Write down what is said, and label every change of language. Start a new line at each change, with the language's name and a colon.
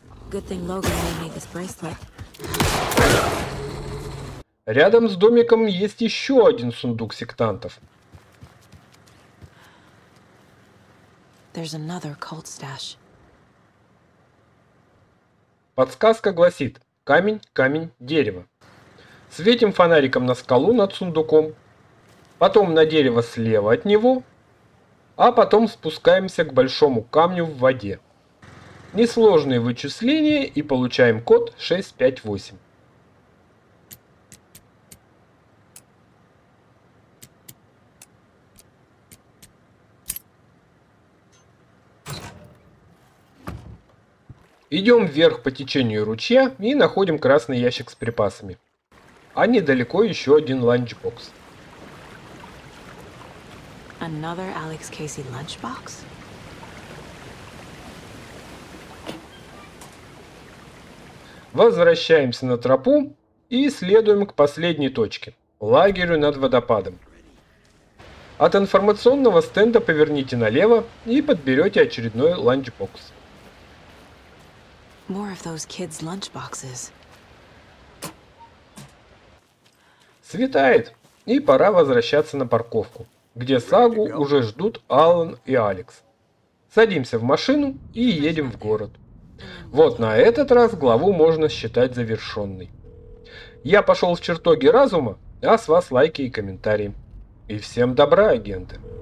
English: Good thing Logan made me this bracelet.
Russian: Рядом с домиком есть еще один сундук сектантов.
English: There's another cult stash.
Russian: Подсказка гласит: камень, камень, дерево. Светим фонариком на скалу над сундуком. потом на дерево слева от него, а потом спускаемся к большому камню в воде. Несложные вычисления и получаем код 658. Идем вверх по течению ручья и находим красный ящик с припасами. А недалеко еще один ланчбокс.
English: Another Alex Casey lunchbox?
Russian: Возвращаемся на тропу и следуем к последней точке, лагерю над водопадом. От информационного стенда поверните налево и подберете очередной ланчбокс.
English: More of those kids' lunchboxes.
Russian: Светает, и пора возвращаться на парковку, где Сагу уже ждут Алан и Алекс. Садимся в машину и едем в город. Вот на этот раз главу можно считать завершенной. Я пошел в чертоги разума, а с вас лайки и комментарии. И всем добра, агенты!